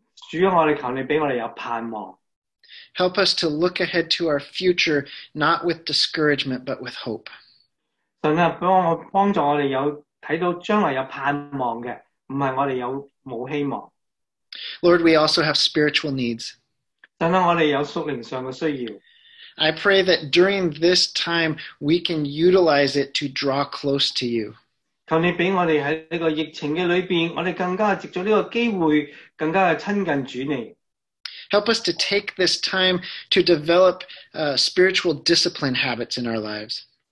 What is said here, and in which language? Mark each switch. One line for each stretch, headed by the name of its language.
Chinese: 主, 我们求你给我们有盼望。
English: Help us to look ahead to our future, not with discouragement, but with hope.
Chinese: 神啊,帮助我们有看到将来有盼望的,不是我们有没有希望。
English: Lord, we also have spiritual needs.
Chinese: 神啊,我们有属灵上的需要。
English: I pray that during this time, we can utilize it to draw close to you.
Chinese: 求你让我们在这个疫情里面,我们更加藉着这个机会,更加亲近主你。
English: Help us to take this time to develop spiritual discipline habits in our lives.